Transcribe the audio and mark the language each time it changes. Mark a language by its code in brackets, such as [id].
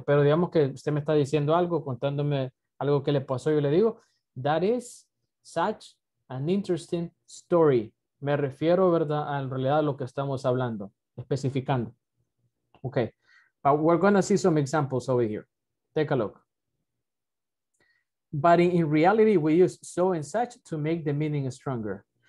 [es] Pero digamos que usted me está diciendo algo, contándome algo que le pasó. Yo le digo, [en] that is such an interesting story. [es] Me refiero, ¿verdad?, en realidad a lo que estamos hablando, especificando. [en] Ok. But we're going to see some examples over here. Take a look. But in reality, we use so and such to make the meaning stronger.